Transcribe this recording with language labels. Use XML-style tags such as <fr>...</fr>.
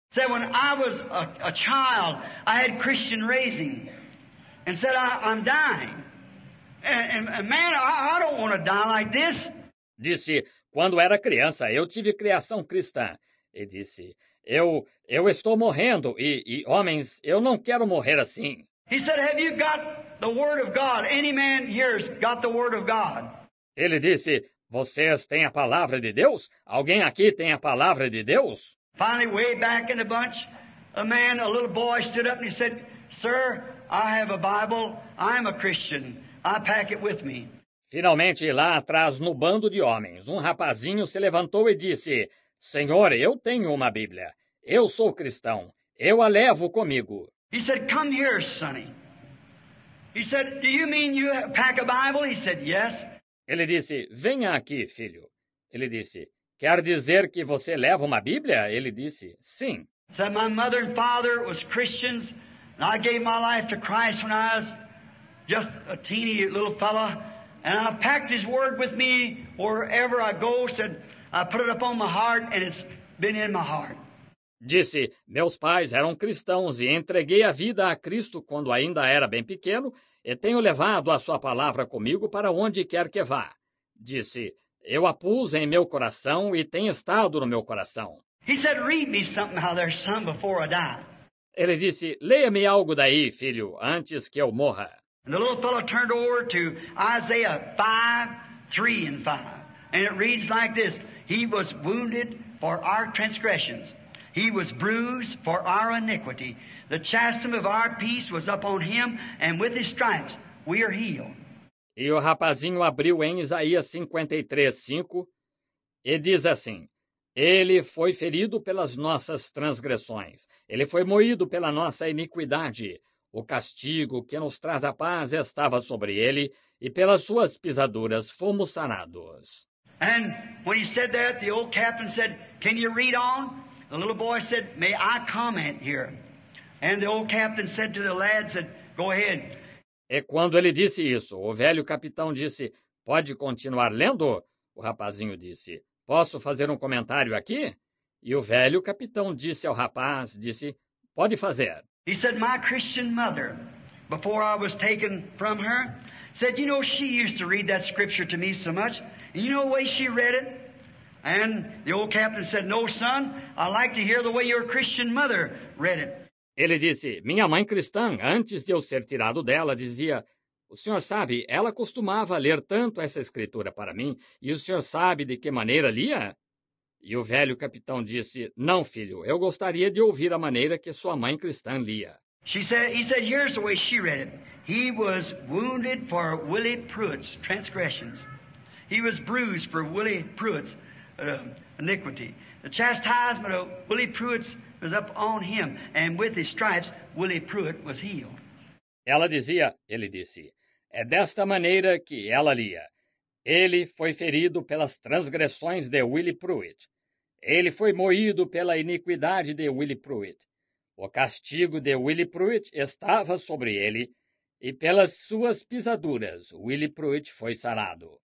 <en>Said, "When I was a child, I had Christian raising. And said, I'm dying. And man, I don't want to die like this."</en> <pt>Disse, "Quando era criança, eu tive criação cristã." E disse, eu estou morrendo e homens, eu não quero morrer assim."</pt> <en>He said, "Have you got the word of God? Any man here's got the word of God?"</en> <pt>Ele disse, "Vocês têm a palavra de Deus? Alguém aqui tem a palavra de Deus?"</pt> <en>Finally, way back in the bunch, a man, a little boy, stood up and he said, "Sir, I have a Bible. I'm a Christian. I pack it with me."</en> <pt>Finalmente, lá atrás, no bando de homens, um rapazinho se levantou e disse, "Senhor, eu tenho uma Bíblia. Eu sou cristão. Eu a levo comigo."</pt> <en>He said, "Come here, sonny." He said, "Do you mean you pack a Bible?" He said, "Yes."</en> <pt>Ele disse, "Venha aqui, filho." Ele disse, "Quer dizer que você leva uma Bíblia?" Ele disse, "Sim."</pt> <en>He said, "My mother and father was Christians, and I gave my life to Christ when I was just a teeny little fella, and I packed his word with me wherever I go, said, I put it up on my heart, and it's been in my heart."</en> <pt>Disse, "Meus pais eram cristãos, e entreguei a vida a Cristo quando ainda era bem pequeno, e tenho levado a sua palavra comigo para onde quer que vá." Disse, "Eu a pus em meu coração, e tem estado no meu coração."</pt> <en>He said, "Read me something how there's some before I die."</en> <pt>Ele disse, "Leia-me algo daí, filho, antes que eu morra."</pt> <en>And the little fellow turned over to Isaiah 5:3-5. And it reads like this, "He was wounded for our transgressions. He was bruised for our iniquity. The chastisement of our peace was upon him, and with his stripes we are healed."</en> <pt>E o rapazinho abriu em Isaías 53:5 e diz assim, "Ele foi ferido pelas nossas transgressões. Ele foi moído pela nossa iniquidade. O castigo que nos traz a paz estava sobre ele, e pelas suas pisaduras fomos sanados."</pt> <en>And when he said that, the old captain said, "Can you read on?" The little boy said, "May I comment here?" And the old captain said to the lad, said, "Go ahead."</en> <pt>E quando ele disse isso, o velho capitão disse, "Pode continuar lendo?" O rapazinho disse, "Posso fazer um comentário aqui?" E o velho capitão disse ao rapaz, disse, "Pode fazer."</pt> <en>He said, "My Christian mother, before I was taken from her, said, you know, she used to read that scripture to me so much. And you know the way she read it?" And the old captain said, "No, son, I like to hear the way your Christian mother read it."</en> <pt>Ele disse, "Minha mãe cristã, antes de eu ser tirado dela, dizia, o senhor sabe, ela costumava ler tanto essa escritura para mim, e o senhor sabe de que maneira lia?" E o velho capitão disse, "Não, filho, eu gostaria de ouvir a maneira que sua mãe cristã lia."</pt> <en>He said, "Here's the way she read it. He was wounded for Willie Pruitt's transgressions. He was bruised for Willie Pruitt's iniquity. The chastisement of Willie Pruitt's was up on him, and with his stripes, Willie Pruitt was healed."</en> <pt>Ela dizia, ele disse, é desta maneira que ela lia. Ele foi ferido pelas transgressões de Willie Pruitt. Ele foi moído pela iniquidade de Willie Pruitt. O castigo de Willie Pruitt estava sobre ele, e pelas suas pisaduras, Willie Pruitt foi sarado.</pt>